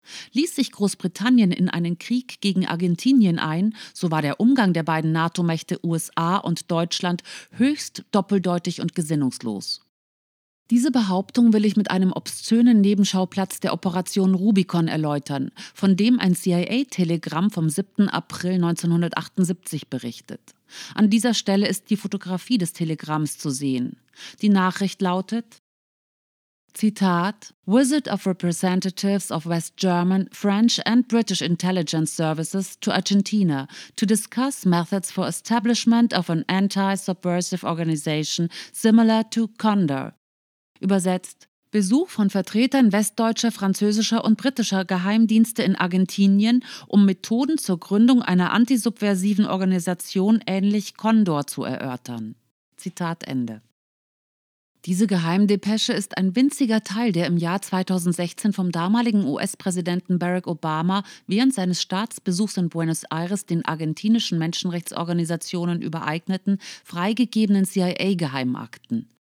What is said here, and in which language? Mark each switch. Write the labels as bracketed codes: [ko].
[de] Ließ sich Großbritannien in einen Krieg gegen Argentinien ein, so war der Umgang der beiden NATO-Mächte USA und Deutschland höchst doppeldeutig und gesinnungslos. Diese Behauptung will ich mit einem obszönen Nebenschauplatz der Operation Rubicon erläutern, von dem ein CIA-Telegramm vom 7. April 1978 berichtet. An dieser Stelle ist die Fotografie des Telegramms zu sehen. Die Nachricht lautet, Zitat, [en] Wizard of Representatives of West German, French and British Intelligence Services to Argentina to discuss methods for establishment of an anti-subversive organization similar to Condor. [de] Übersetzt, Besuch von Vertretern westdeutscher, französischer und britischer Geheimdienste in Argentinien, um Methoden zur Gründung einer antisubversiven Organisation ähnlich Condor zu erörtern. Zitat Ende. Diese Geheimdepesche ist ein winziger Teil der im Jahr 2016 vom damaligen US-Präsidenten Barack Obama während seines Staatsbesuchs in Buenos Aires den argentinischen Menschenrechtsorganisationen übereigneten, freigegebenen CIA-Geheimakten.